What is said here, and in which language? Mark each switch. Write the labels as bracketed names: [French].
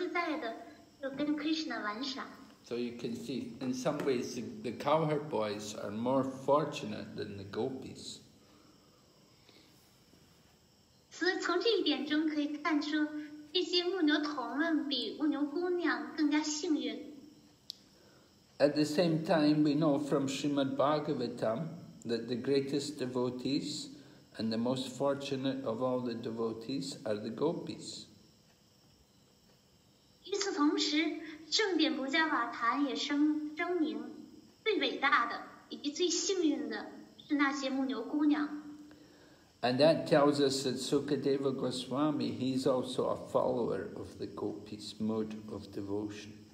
[Chinese] 来自于丈夫，来自于自己的妻子和家人的反对，他们可以自由自在地就跟Krishna玩耍。 [English] So you can see, in some ways, the cowherd boys are more fortunate than the gopis. [Chinese] 从这一点中可以看出，这些牧牛童们比牧牛姑娘更加幸运。 [English] At the same time, we know from Srimad Bhagavatam that the greatest devotees and the most fortunate of all the devotees are the gopis. [Chinese] 与此同时，圣典菩萨瓦坛也声明，最伟大的以及最幸运的是那些牧牛姑娘。 [English] And that tells us that Sukadeva Goswami, he's also a follower of the gopis' mode of devotion.